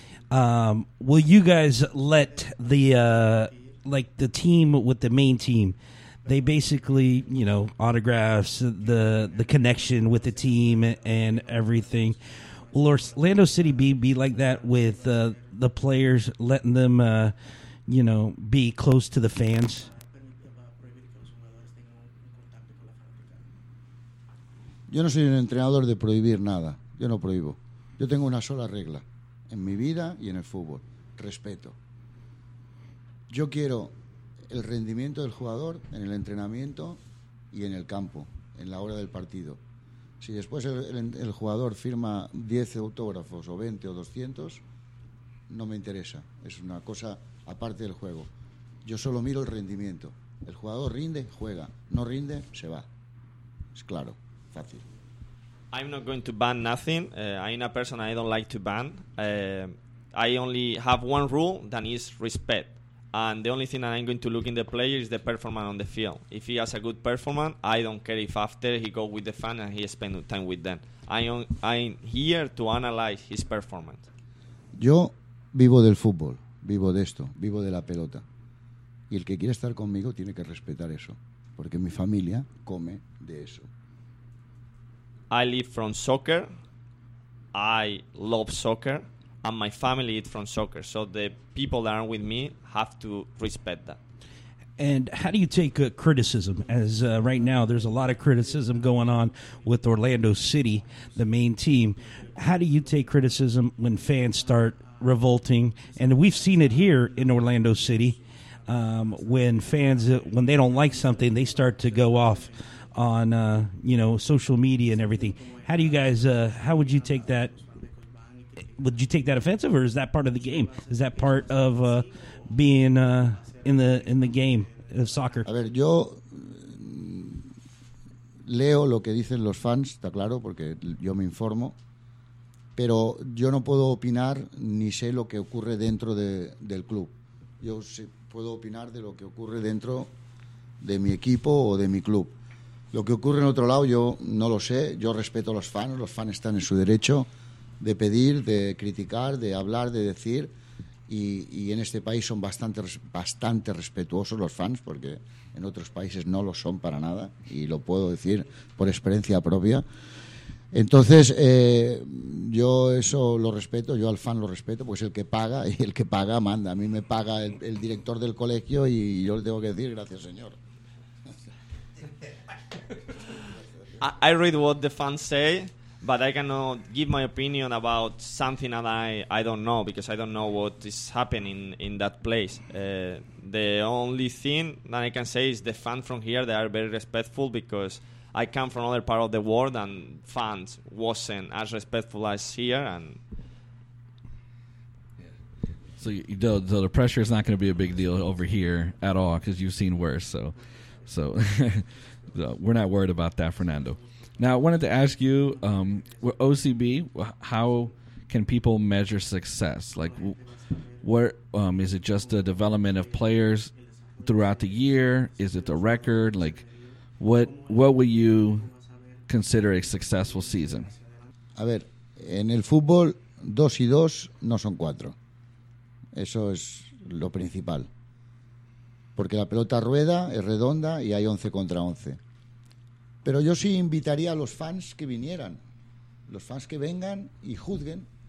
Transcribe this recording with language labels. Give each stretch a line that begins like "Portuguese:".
English: Will you guys let the team with the main team, they basically, you know, autographs, the connection with the team and everything. Will Orlando City be like that with the players, letting them, you know, be close to the fans?
Spanish: Yo no soy un entrenador de prohibir nada. Yo no prohíbo. Yo tengo una sola regla en mi vida y en el fútbol. Respeto. Yo quiero el rendimiento del jugador en el entrenamiento y en el campo, en la hora del partido. Si después el jugador firma 10 autógrafos o 20 o 200, no me interesa. Es una cosa aparte del juego. Yo solo miro el rendimiento. El jugador rinde, juega. No rinde, se va. Es claro.
English: I'm not going to ban nothing. I'm a person I don't like to ban. I only have one rule, that is respect. And the only thing that I'm going to look in the player is the performance on the field. If he has a good performance, I don't care if after he go with the fan and he spend time with them. I'm here to analyze his performance.
Spanish: Yo vivo del fútbol, vivo de esto, vivo de la pelota. Y el que quiere estar conmigo tiene que respetar eso, porque mi familia come de eso.
English: I live from soccer. I love soccer. And my family is from soccer. So the people that are with me have to respect that. And how do you take criticism? As right now, there's a lot of criticism going on with Orlando City, the main team. How do you take criticism when fans start revolting? And we've seen it here in Orlando City. When fans, when they don't like something, they start to go off on, you know, social media and everything. How do you guys, how would you take that? Would you take that offensive, or is that part of the game? Is that part of being in the game of soccer?
Spanish: A ver, yo leo lo que dicen los fans, está claro, porque yo me informo, pero yo no puedo opinar ni sé lo que ocurre dentro del club. Yo sé, puedo opinar de lo que ocurre dentro de mi equipo o de mi club. Lo que ocurre en otro lado yo no lo sé. Yo respeto a los fans están en su derecho de pedir, de criticar, de hablar, de decir, y en este país son bastante, bastante respetuosos los fans, porque en otros países no lo son para nada, y lo puedo decir por experiencia propia. Entonces, yo eso lo respeto, yo al fan lo respeto, pues el que paga, y el que paga manda. A mí me paga el director del colegio y yo le tengo que decir gracias, señor.
English: I read what the fans say, but I cannot give my opinion about something that I don't know, because I don't know what is happening in that place. The only thing that I can say is the fans from here, they are very respectful, because I come from another part of the world and fans wasn't as respectful as here. And so the pressure is not going to be a big deal over here at all, because you've seen worse. So we're not worried about that, Fernando. Now, I wanted to ask you, with OCB, how can people measure success? Like, what is it, just the development of players throughout the year? Is it the record? Like, what would you consider a successful season?
Spanish: A ver, en el fútbol, dos y dos no son cuatro. Eso es lo principal. Porque la pelota rueda, es redonda y hay 11 contra 11. Pero yo sí invitaría a los fans que vinieran, los fans que vengan y juzguen.